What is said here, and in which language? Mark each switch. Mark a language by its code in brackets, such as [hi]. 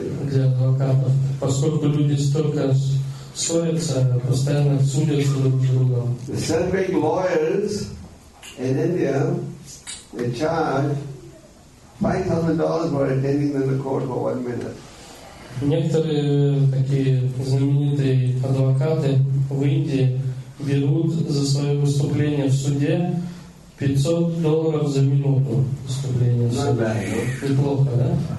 [ru] Для адвокатов. Поскольку люди столько ссорятся, постоянно судятся друг с другом. [en] The celebrate lawyers in India, they charge $5,000 for attending the court for 1 minute. [ru] Некоторые такие знаменитые адвокаты в Индии берут за свое выступление в суде $500 за минуту выступления в суде. Неплохо, да?